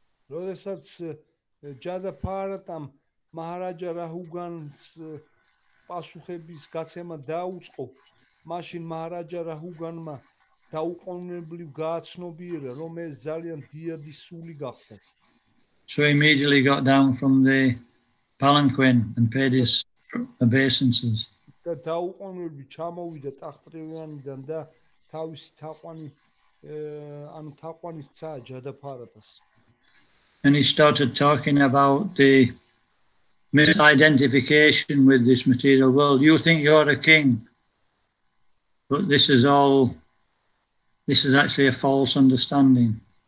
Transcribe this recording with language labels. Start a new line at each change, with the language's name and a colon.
Georgian: როდესაც ჯადაფარატამ მაჰარაჯა რაჰუგანს პასუხების გაცემა დაუწყო, მაშინ მაჰარაჯა რაჰუგანმა დაუყოვნებლივ გააცნობიერა, რომ ეს ძალიან დიადი სული გახდა.
English: So he immediately got down from the palanquin and paid his obeisances.
Georgian: და დაუყოვნებლივ ჩამოვიდა ტახტრევანიდან და თავისი თაყვანი ანუ თაყვანი სცა ჯადაფარატას.
English: And he started talking about the misidentification with this material world. You think you're a king, but this is actually a false understanding.